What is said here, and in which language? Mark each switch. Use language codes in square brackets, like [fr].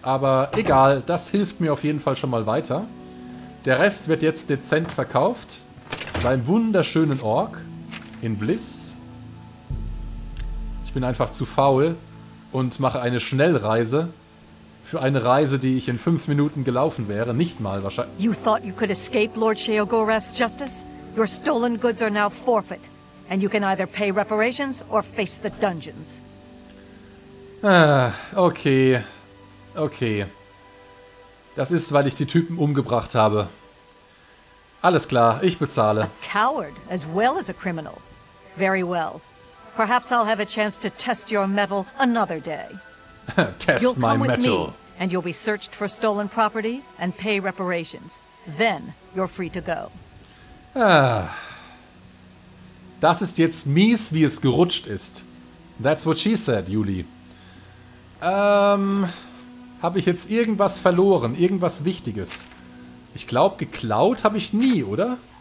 [de] Aber egal, das hilft mir auf jeden Fall schon mal weiter. Der Rest wird jetzt dezent verkauft. Beim wunderschönen Ork in Bliss. Ich bin einfach zu faul und mache eine Schnellreise. Für eine Reise, die ich in 5 Minuten gelaufen wäre, nicht mal wahrscheinlich. [en] You thought you could escape Lord Sheogorath's justice? Your stolen goods are now forfeit, and you can either pay reparations or face the dungeons. Okay. [de] Das ist, weil ich die Typen umgebracht habe. Alles klar, ich bezahle. [en] A coward, as well as a criminal. Very well. Perhaps I'll have a chance to test your mettle another day. Test my mettle. You'll come with me, and you'll be searched for stolen property and pay reparations. Then you're free to go. [de] Das ist jetzt mies, wie es gerutscht ist. [en] That's what she said, Juli. [de] Habe ich jetzt irgendwas verloren? Irgendwas Wichtiges? Ich glaube, geklaut habe ich nie, oder?